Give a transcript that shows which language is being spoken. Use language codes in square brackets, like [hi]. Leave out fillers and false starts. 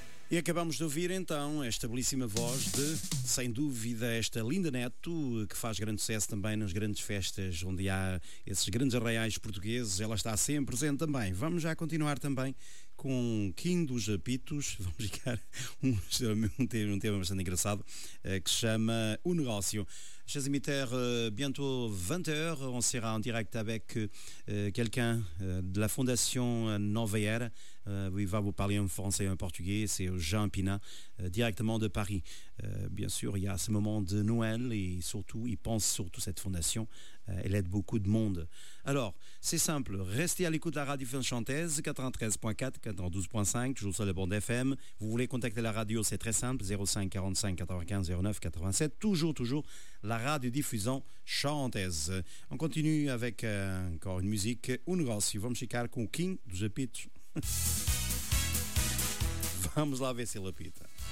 [pt] E acabamos de ouvir então esta belíssima voz de, sem dúvida, esta Linda Neto, que faz grande sucesso também nas grandes festas onde há esses grandes arraiais portugueses. Ela está sempre presente também. Vamos já continuar também com Quim dos Apitos. Vamos ficar um tema bastante engraçado, que se chama O Negócio. [fr] Chers imitaires, bientôt 20h, on sera en direct avec quelqu'un de la Fondation Nova Era. Il va vous parler en français et en portugais, c'est Jean Pina, directement de Paris. Bien sûr, il y a ce moment de Noël et surtout, il pense surtout à cette fondation. Elle aide beaucoup de monde. Alors, c'est simple, restez à l'écoute de la radio Fanchantaise, 93.4, 92.5, toujours sur le bon FM. Vous voulez contacter la radio, c'est très simple, 05 45 95 09 87, toujours, la radio diffusant Chantaise. On continue avec encore une musique, Un Negócio. [pt] Vamos ficar com o King dos Apitos. Vamos lá ver se ele apita.